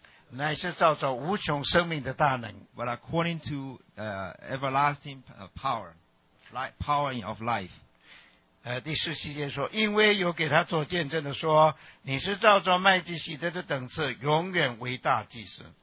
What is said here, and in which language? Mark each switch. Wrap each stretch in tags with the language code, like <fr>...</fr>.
<zh>乃是照着无穷生命的大能。</zh> <en>But according to, everlasting power, like power of life.</en> <zh>第十七节说，因为有给他做见证的说，你是照着麦基洗德的等次，永远为大祭司。</zh>